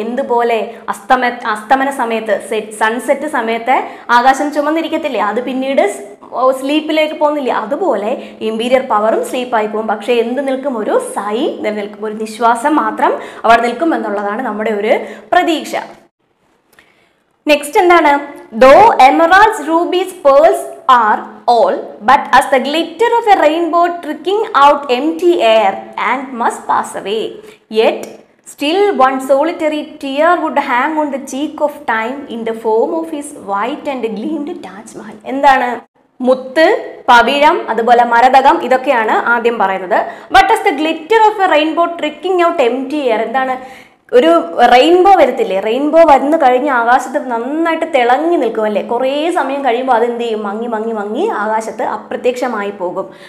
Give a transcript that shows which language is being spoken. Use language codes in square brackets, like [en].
[ml] എന്തുപോലെ അസ്തമന സമയത്ത്, സൺസെറ്റ് സമയത്ത് ആകാശം ചുമന്നിരിക്കത്തില്ലേ, അത് പിന്നീട് സ്ലീപ്പിലേക്ക് പോകുന്നില്ലേ, അതുപോലെ ഇമ്പീരിയൽ പവറും സ്ലീപ്പായി പോകും. പക്ഷേ എന്ത് നിൽക്കും, ഒരു സൈ നിലനിൽക്കും, ഒരു നിശ്വാസം മാത്രം അവിടെ നിൽക്കും എന്നുള്ളതാണ് നമ്മുടെ ഒരു പ്രതീക്ഷ. [en] next [ml] എന്താണ്, [en] Though emeralds rubies pearls are all, but as the glitter of a rainbow tricking out empty air and must pass away. Yet, still one solitary tear would hang on the cheek of time in the form of his white and gleamed Taj Mahal. [ml] Endana? മുത്ത് പവിഴം അതുപോലെ മരതകം ഇതൊക്കെയാണ് ആദ്യം പറയുന്നത് [en] but as the glitter of a rainbow tricking out empty air [ml] എന്താണ് ഒരു rainbow വരത്തില്ലേ rainbow വന്നു കഴിഞ്ഞ് ആകാശത്ത് നന്നായിട്ട് തിളങ്ങി നിൽക്കും അല്ലേ കുറേ സമയം കഴിയുമ്പോൾ അതെന്ത് ചെയ്യും മങ്ങി മങ്ങി മങ്ങി ആകാശത്ത് അപ്രത്യക്ഷമായി പോകും